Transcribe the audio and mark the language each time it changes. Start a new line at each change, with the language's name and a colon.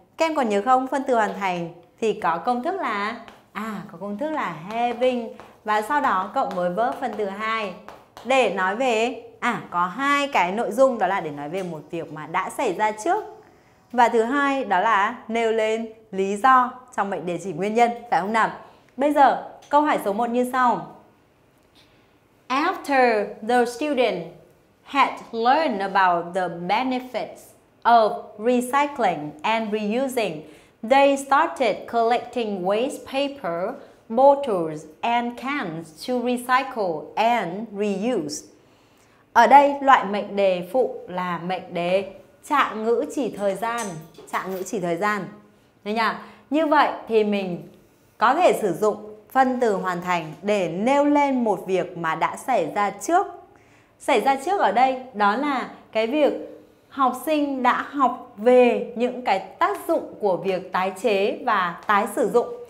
Vietnamese: Các em còn nhớ không phân từ hoàn thành? Thì có công thức là có công thức là having và sau đó cộng với verb phần từ 2 để nói về có hai cái nội dung, đó là để nói về một việc mà đã xảy ra trước, và thứ hai đó là nêu lên lý do trong mệnh đề chỉ nguyên nhân, phải không nào?
English: Bây giờ câu hỏi số 1 như sau: After the student had learned about the benefits of recycling and reusing, they started collecting waste paper, bottles and cans to recycle and reuse.
Vietnamese: Ở đây, loại mệnh đề phụ là mệnh đề trạng ngữ chỉ thời gian. Trạng ngữ chỉ thời gian. Đấy nhỉ? Như vậy thì mình có thể sử dụng phân từ hoàn thành để nêu lên một việc mà đã xảy ra trước. Xảy ra trước ở đây đó là cái việc học sinh đã học về những cái tác dụng của việc tái chế và tái sử dụng.